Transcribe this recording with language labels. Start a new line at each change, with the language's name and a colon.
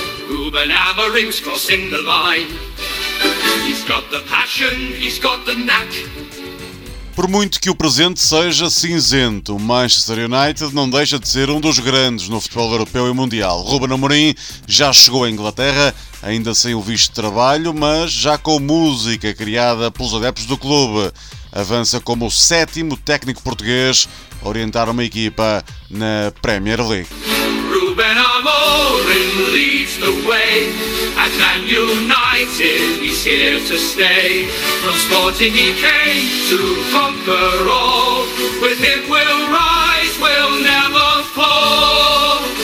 English: Ruben Amorim's crossing the line. He's got the passion, he's got the knack.
Portuguese: Por muito que o presente seja cinzento, o Manchester United não deixa de ser um dos grandes no futebol europeu e mundial. Ruben Amorim já chegou à Inglaterra, ainda sem o visto de trabalho, mas já com música criada pelos adeptos do clube. Avança como o sétimo técnico português a orientar uma equipa na Premier League.
English: Ruben Amorim leads the way. At Man United, he's here to stay. From Sporting he came to conquer all. With him we'll rise, we'll never fall.